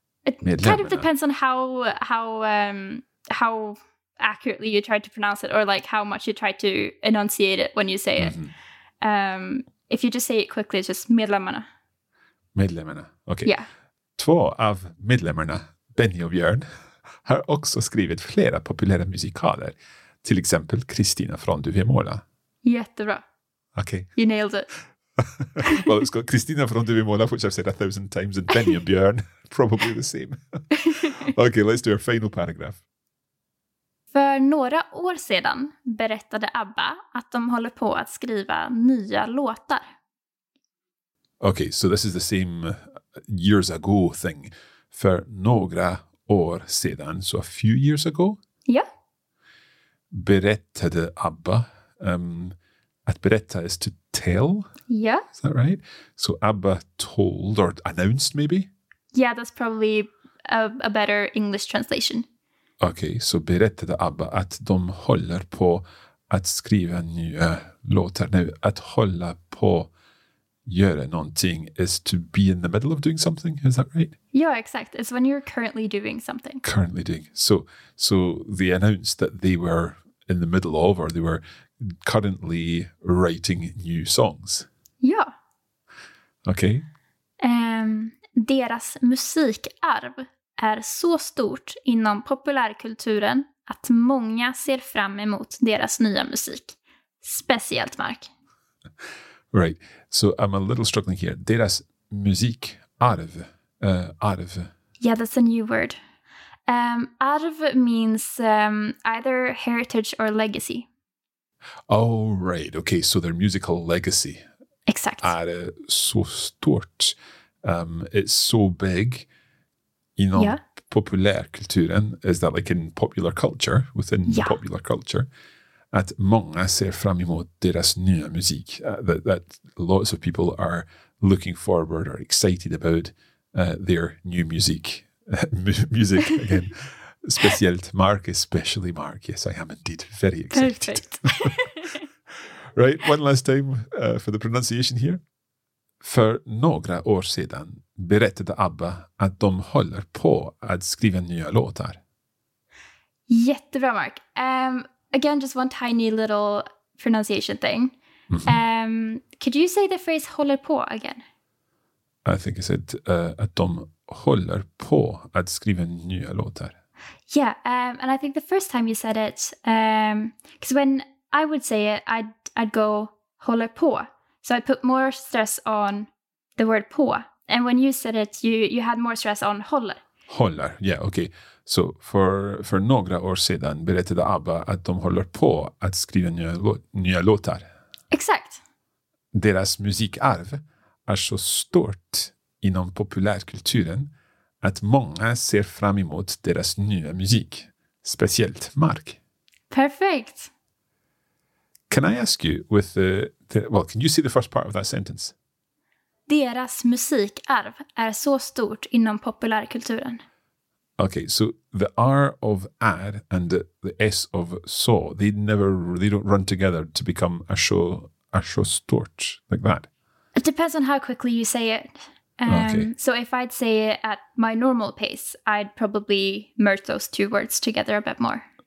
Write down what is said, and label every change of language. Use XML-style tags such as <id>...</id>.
<en>It kind of depends on how accurately you try to pronounce it, or like how much you try to enunciate it when you say it. If you just say it quickly, it's just medlemmarna. Medlemmarna, okay. Yeah.</en> <sv>Två av medlemmarna, Benny och Björn, har också skrivit flera populära musikaler, till exempel Kristina från Duvemåla. Jättebra.</sv> <en>Okay. You nailed it. Well, it's got Kristina från Duvemåla, which I've said 1,000 times, and Benny and Björn, probably the same. Okay, let's do our final paragraph.</en> <sv>För några år sedan berättade ABBA att de håller på att skriva nya låtar.</sv> <en>Okay, so this is the same years ago thing.</en> <sv>För några år sedan,</sv> <en>so a few years ago. Yeah.</en> <sv>Berättade ABBA. Att berätta</sv> <en>is to tell. Yeah. Is that right? So ABBA told or announced maybe? Yeah, that's probably a better English translation.</en> <sv>Okej, så berättade ABBA att de håller på att skriva nya låtar. Nej, att hålla på göra någonting</sv> <en>is to be in the middle of doing something, is that right? Yeah, exactly. It's when you're currently doing something. Currently doing. So they announced that they were in the middle of, or they were currently writing new songs. Yeah. Okay.</en> <sv>Deras musikarv är så stort inom populärkulturen att många ser fram emot deras nya musik. Speciellt Mark.</sv> <en>Right. So I'm a little struggling here.</en> <sv>Deras musik arv. Arv.</sv> <en>Yeah, that's a new word. Arv means either heritage or legacy. Oh, right. Okay, so their musical legacy. Exactly.</en> <sv>Är så stort.</sv> <en>It's so big. You know, yeah.</en> <sv>Populärkulturen.</sv> <en>Is that like in popular culture, within yeah. popular culture?</en> <sv>Att många ser fram emot deras nya musik.</sv> <en>That lots of people are looking forward or excited about their new music. music again.</en> <sv>Speciellt Mark,</sv> <en>especially Mark. Yes, I am indeed very excited. Perfect. Right, one last time for the pronunciation here.</en> <sv>För några år sedan berättade ABBA att de håller på att skriva nya låtar.</sv> <en>Jättebra, Mark. Again, just one tiny little pronunciation thing. Mm-hmm. Could you say the phrase håller på again? I think I said</en> <sv>att de håller på att skriva nya låtar.</sv> <en>Yeah, and I think the first time you said it, because when I would say it, I'd go håller på. So I put more stress on the word på. And when you said it, you had more stress on håller. Håller, yeah, okay.</en> <sv>So för några år sedan berättade ABBA att de håller på att skriva nya låtar. Exakt. Deras musikarv är så stort inom populärkulturen att många ser fram emot deras nya musik, speciellt Mark. Perfekt.</sv> <en>Can I ask you with can you see the first part of that sentence?</en> <sv>Deras musikarv är så stort inom populärkulturen.</sv> <en>Okay, so the R of är and the S of så, they don't run together to become a show stort like that. It depends on how quickly you say it. Okay. So if I'd say it at my normal pace, I'd probably merge those two words together a bit more.</en>